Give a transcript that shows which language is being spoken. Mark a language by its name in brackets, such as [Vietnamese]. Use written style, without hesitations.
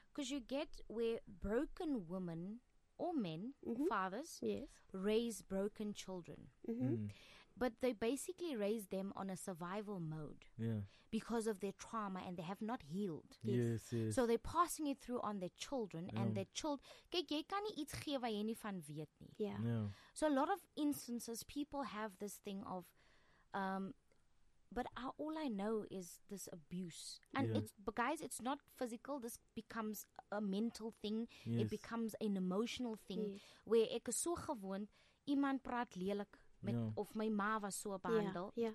[English] Because you get where broken women or men, fathers, raise broken children. But they basically raise them on a survival mode because of their trauma and they have not healed. Yes. So they're passing it through on their children and their children. [Afrikaans] Kijk, jy kan nie iets gee wat jy nie van weet nie. [English] So a lot of instances, people have this thing of... But all I know is this abuse. And guys, it's not physical. This becomes a mental thing. Yes. It becomes an emotional thing. Yes. Where [Afrikaans] ek is so gewoond, iemand praat lelik met of my ma was so behandel.